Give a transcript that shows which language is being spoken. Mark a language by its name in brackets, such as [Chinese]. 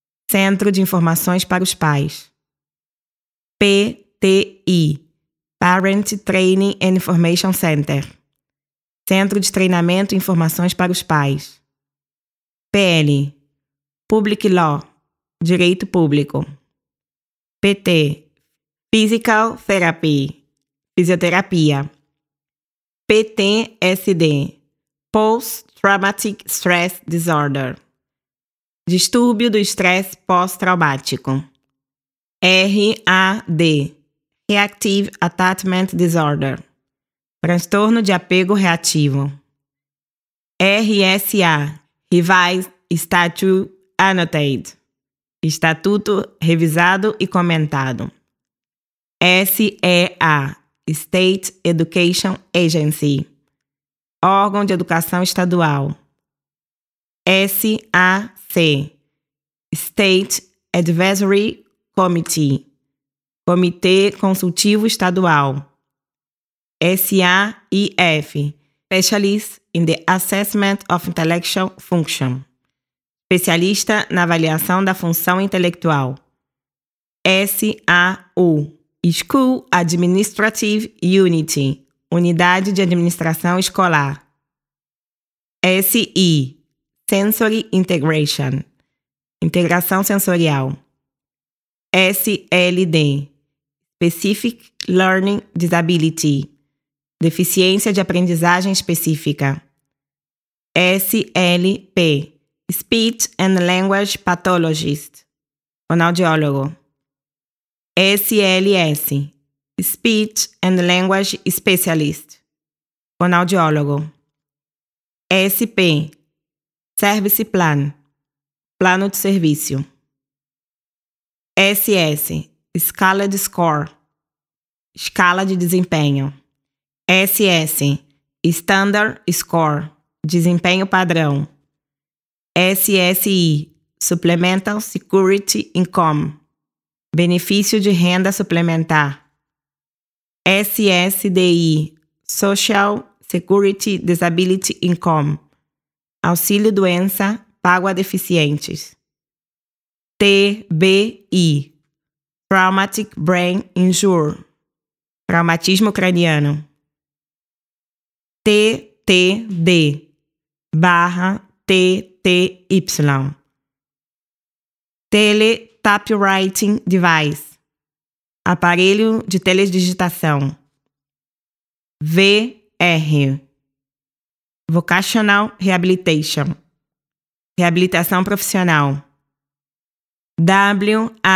[Portuguese] Centro de Informações para os Pais. [English] PTI. Parent Training and Information Center. [Portuguese] Centro de Treinamento e Informações para os Pais. [English] PL. Public Law. [Portuguese] Direito Público. [English] PT. Physical Therapy. [Portuguese] Fisioterapia. [English] PTSD. Post-Traumatic Stress Disorder. [Portuguese] Distúrbio do estresse pós-traumático. [English] RAD. Reactive Attachment Disorder. [Portuguese] Transtorno de apego reativo. RSA. [English] Revised Statute Annotated. [Portuguese] Estatuto revisado e comentado. [English] SEA. State Education Agency. [Portuguese] Órgão de Educação Estadual. [English] SAC. State Advisory Committee. [Portuguese] Comitê Consultivo Estadual. [English] SAIF. Specialist in the Assessment of Intellectual Function. [Portuguese] Especialista na avaliação da função intelectual. [English] SAU. School Administrative Unity. [Portuguese] Unidade de Administração Escolar. [English] SI. Sensory Integration. [Portuguese] Integração Sensorial. [English] SLD. Specific Learning Disability. [Portuguese] Deficiência de Aprendizagem Específica. [English] SLP. Speech and Language Pathologist. [Portuguese] Fonoaudiólogo. [English] SLS. Speech and Language Specialist. [Portuguese] Fonoaudiólogo. [English] SP. Service Plan. [Portuguese] Plano de serviço. SS. [English] Scaled Score. [Portuguese] Escala de desempenho. SS. [English] Standard Score. [Portuguese] Desempenho padrão. [English] SSI. Supplemental Security Income. [Portuguese] Benefício de renda suplementar. SSDI. [English] Social Security Disability Income. [Portuguese] Auxílio doença pago a deficientes. [English] TBI. Traumatic Brain Injury. [Portuguese] Traumatismo craniano. TTD. [English] /TTY. Teletypewriting Device. [Portuguese] Aparelho de teledigitação. [English] VR. Vocational Rehabilitation. [Portuguese] Reabilitação profissional. WAIS.